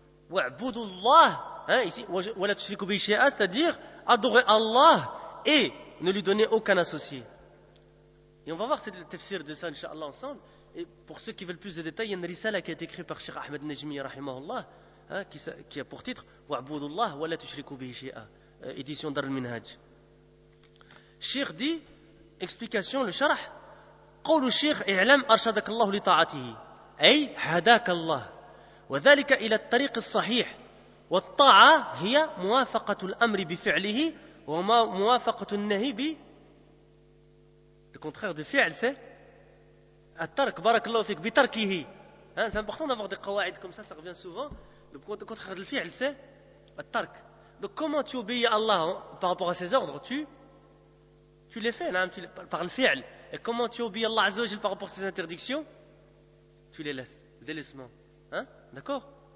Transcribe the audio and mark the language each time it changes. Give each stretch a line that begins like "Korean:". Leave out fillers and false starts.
French: وَعْبُدُ اللَّهِ, hein, ici,
Arabic: وَلَا تُشْرِكُ بِهِ شَيْئًا,
French: c'est-à-dire adorer Allah et ne lui donner aucun associé. Et on va voir le tafsir de ça, inshallah, ensemble. Et pour ceux qui veulent plus de détails, il y a une risala qui a été écrite par Cheikh Ahmed Najmi, rahimahullah, hein, qui a pour titre
Arabic: وَعْبُدُ اللَّهِ وَلَا تُشْرِكُ بِهِ شَيْئًا,
French: édition d'Arul Minhaj. Cheikh dit, explication, le sharah,
Arabic: قَوْلُ شِيْخ اِعْلَمْ أَرْشَدَكَ اللَّهُ لِطَاعَتِهِ أي هَدَاكَ اللَّهُ وذلك إلى الطريق الصحيح والطاعة هي موافقة الأمر بفعله وما موافقة النهي ب
French: le contraire de
Arabic: فعل
French: c'est
Arabic: الترك بارك الله فيك بتركه.
French: C'est important d'avoir des قواعد comme ça, ça revient souvent. Le contraire de فعل c'est الترك. Donc comment tu obéis à Allah par rapport à ses ordres? Tu les fais par le فعل. Et comment tu obéis à Allah عز وجل par rapport à ses interdictions? Tu les laisses, le délaissement. Hein? D'accord?